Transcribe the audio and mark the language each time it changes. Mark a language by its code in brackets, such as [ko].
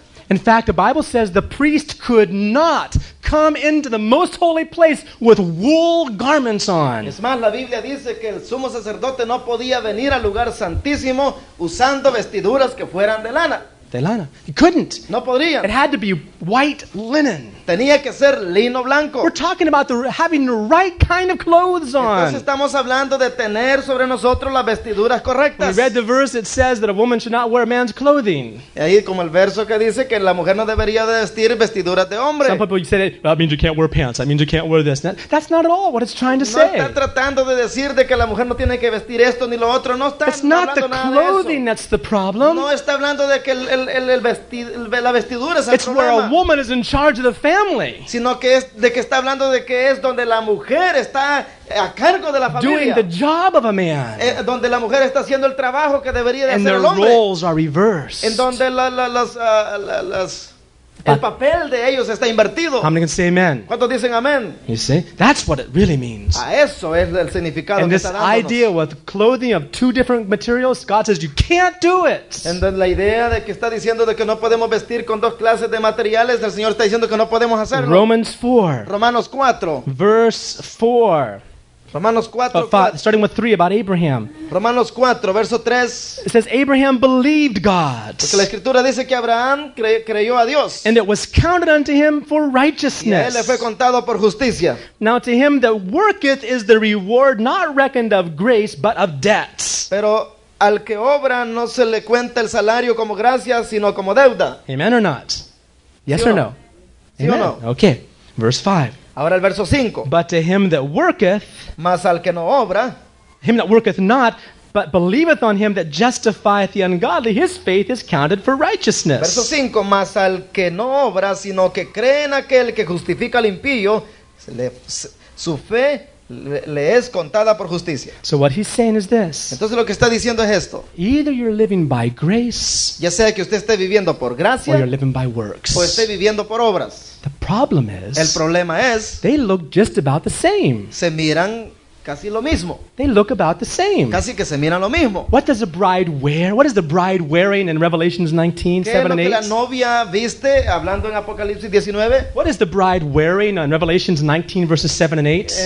[en] In fact, the Bible says the priest could not come into the most holy place with wool garments on. [es] Es más, la Biblia dice que el sumo sacerdote no podía venir al lugar santísimo usando vestiduras que fueran de lana. De lana. [en] He couldn't. [es] No podría. [en] It had to be white linen. [es] Tenía que ser lino blanco. [en] We're talking about having the right kind of clothes on. [es] Entonces estamos hablando de tener sobre nosotros las vestiduras correctas. [en] When we read the verse, it says that a woman should not wear a man's clothing. [es] Y ahí como el verso que dice que la mujer no debería de vestir vestiduras de hombre. [en] Some people say that means you can't wear pants. That means you can't wear this. That's not at all what it's trying to [es] no [en] say. [es] No está tratando de decir de que la mujer no tiene que vestir esto ni lo otro. No está [en] it's not [es] hablando [en] the clothing [es] nada de eso. [en] That's the problem. [es] No está hablando de que la vestidura es el [en] it's [es] problema. [en] It's where a woman is in charge of the family. [es] Sino que es de que está hablando de que es donde la mujer está a cargo de la familia. [en] Doing the job of a man. [es] Donde la mujer está haciendo el trabajo que debería [en] and [es] de hacer el hombre. [en] And their roles are reversed. [es] En donde el papel de ellos está invertido. [en] How many can say amen? [es] ¿Cuántos dicen amén? [en] You see, that's what it really means. [es] A eso es el significado [en] and [es] que está dándonos. [en] Idea with clothing of two different materials, God says you can't do it. [es] Entonces la idea de que está diciendo de que no podemos vestir con dos clases de materiales, el Señor está diciendo que no podemos hacerlo. [en] Romans 4. [es] Romanos 4. [en] Verse 4. [es] Romanos [en] 4, starting with 3 about Abraham. [es] Romanos 4, verso 3. [en] It says Abraham believed God. [es] Porque la escritura dice que Abraham creyó a Dios. [en] And it was counted unto him for righteousness. [es] Y a él le fue contado por justicia. [en] Now to him that worketh is the reward not reckoned of grace but of debts. [es] Pero al que obra no se le cuenta el salario como gracia sino como deuda. [en] Amen or not? Yes [es] sí [en] or no? [es] Sí [en] amen. [es] O no? [en] Okay. Verse 5. [es] Ahora el verso 5. [en] But to him that worketh, [es] mas al que no obra, [en] him that worketh not, but believeth on him that justifieth the ungodly, his faith is counted for righteousness. [es] Verso 5. Mas al que no obra, sino que cree en aquel que justifica al impío, su fe le es contada por justicia. [en] So what he's saying is this. [es] Entonces lo que está diciendo es esto. [en] Either you're living by grace, [es] ya sea que usted esté viviendo por gracia, [en] or you're living by works, [es] o esté viviendo por obras. [en] The problem is, [es] el problema es, [en] they look just about the same. [es] Se miran casi lo mismo. [en] They look about the same. [es] Casi que se miran lo mismo. [en] What does a bride wear? What is the bride wearing in Revelations 19, 7 and 8? [es] ¿Qué es lo que la novia viste hablando en Apocalipsis 19? [en] What is the bride wearing in Revelations 19, verses 7 and 8?